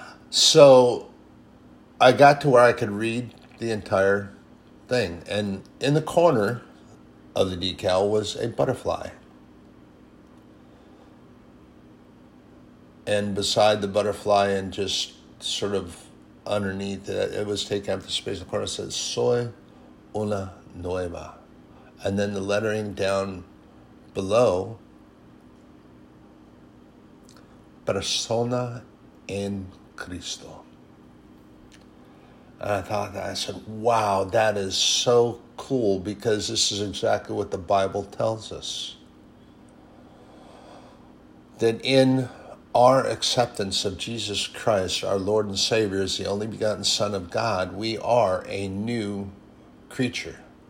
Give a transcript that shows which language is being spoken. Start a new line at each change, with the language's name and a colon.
English: So I got to where I could read the entire thing, and in the corner of the decal was a butterfly, and beside the butterfly and just sort of underneath it, it was taken out of the space in the corner, it says
Spanish: soy una nueva,
English: and then the lettering down below
Spanish: persona en Cristo.
English: And I thought, I said, wow, that is so cool, because this is exactly what the Bible tells us. That in our acceptance of Jesus Christ, our Lord and Savior, as the only begotten Son of God, we are a new creature.